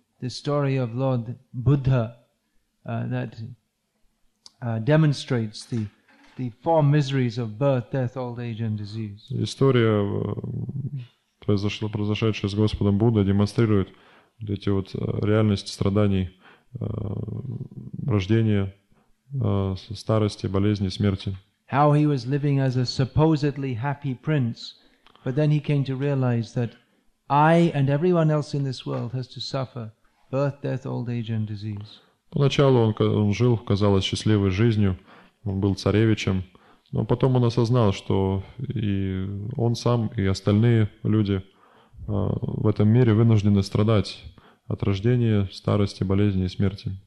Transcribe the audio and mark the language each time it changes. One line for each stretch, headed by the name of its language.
English: The story of Lord Buddha that demonstrates the four miseries of birth, death, old age and disease.
Russian: История, произошедшая с Господом Буддой, демонстрирует эти вот реальность страданий рождения, старости, болезни, смерти.
English: How he was living as a supposedly happy prince, but then he came to realize that I and everyone else in this world has to suffer birth, death, old age and disease.
Russian: Поначалу он жил, казалось, счастливой жизнью, он был царевичем, но потом он осознал, что и он сам, и остальные люди в этом мире вынуждены страдать от рождения, старости, болезни и смерти.